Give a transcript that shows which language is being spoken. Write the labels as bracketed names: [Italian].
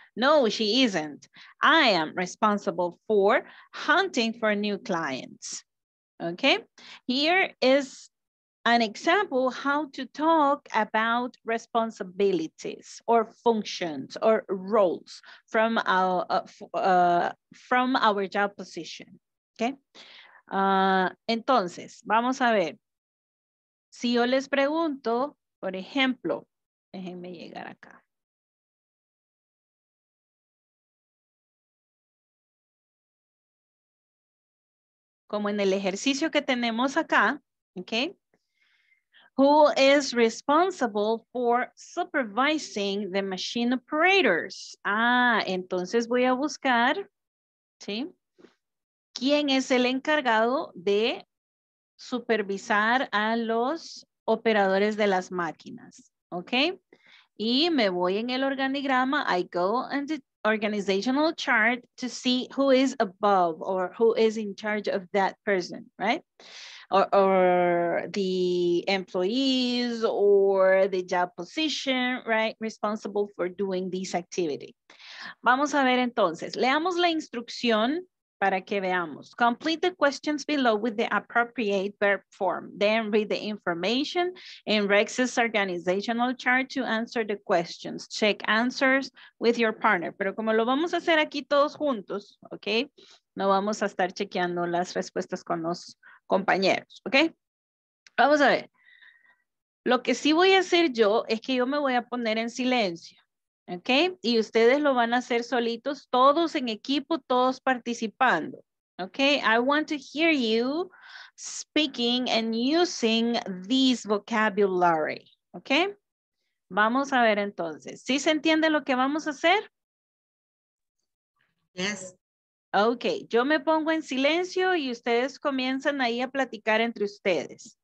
[English] No, she isn't. I am responsible for hunting for new clients. Okay? Here is an example how to talk about responsibilities or functions or roles from our job position, okay? [Spanish] Entonces, vamos a ver. Si yo les pregunto, por ejemplo, déjenme llegar acá. Como en el ejercicio que tenemos acá, okay? [English] Who is responsible for supervising the machine operators? [Spanish] Ah, entonces voy a buscar, ¿sí? ¿Quién es el encargado de supervisar a los operadores de las máquinas? ¿Ok? Y me voy en el organigrama, [English] I go in the organizational chart to see who is above or who is in charge of that person, right? Or the employees or the job position, right? Responsible for doing this activity. [Spanish] Vamos a ver entonces. Leamos la instrucción para que veamos. [English] Complete the questions below with the appropriate verb form. Then read the information in Rex's organizational chart to answer the questions. Check answers with your partner. [Spanish] Pero como lo vamos a hacer aquí todos juntos, ¿ok? No vamos a estar chequeando las respuestas con los compañeros, ¿ok? Vamos a ver. Lo que sí voy a hacer yo es que yo me voy a poner en silencio. ¿Ok? Y ustedes lo van a hacer solitos, todos en equipo, todos participando. ¿Ok? [English] I want to hear you speaking and using this vocabulary. [Spanish] ¿Ok? Vamos a ver entonces. ¿Sí se entiende lo que vamos a hacer? [English] Yes. Ok. [Spanish] Yo me pongo en silencio y ustedes comienzan ahí a platicar entre ustedes.